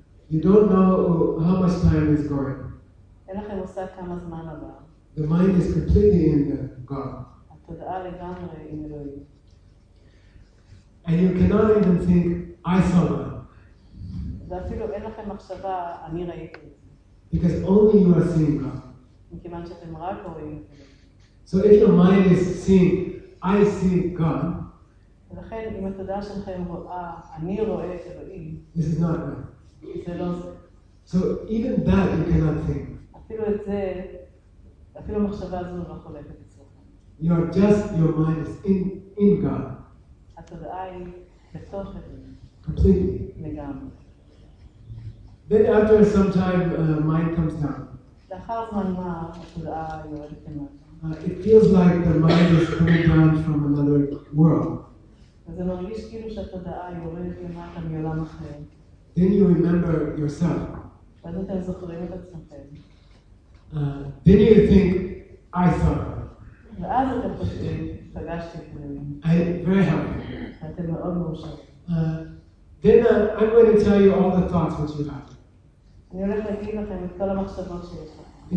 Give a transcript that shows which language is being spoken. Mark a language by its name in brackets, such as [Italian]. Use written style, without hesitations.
[English] you don't know how much time is going. [Hebrew] אין לכם מושג כמה זמן עבר. [English] The mind is completely in the God. [Hebrew] התודעה לגמרי עם אלוהים. [English] And you cannot even think, I saw God. [Hebrew] ואפילו אין לכם מחשבה, אני ראיתי. [English] Because only you are seeing God. [Hebrew] מכיוון שאתם רק רואים את אלוהים. [English] So if your mind is seeing, I see God, [Hebrew] ולכן, אם התודעה שלכם רואה, אני רואה את אלוהים, [English] this is not right. [Hebrew] זה לא זה. [English] So even that you cannot think. [Hebrew] אפילו את זה, אפילו המחשבה הזו לא חולקת אצלכם. [English] You are just, your mind is in God. [Hebrew] התודעה היא בתוך אלוהים. [English] Completely. [Hebrew] לגמרי. [English] Then after some time, mind comes down. [Hebrew] לאחר זמן מה, התודעה יורדת למטה. [English] It feels like the mind is coming down from another world. [Hebrew] וזה מרגיש כאילו שהתודעה יורדת למטה מעולם אחר. [English] Then you remember yourself. [Hebrew] ואז אתם זוכרים את עצמכם. [English] Then you think, I saw. [Hebrew] ואז אתם חושבים, פגשתי את אלוהים. [English] I'm very happy. [Hebrew] אתם מאוד מאושרים. [English] Then I'm going to tell you all the thoughts which you have. [Hebrew] אני הולך להגיד לכם את כל המחשבות שיש לכם.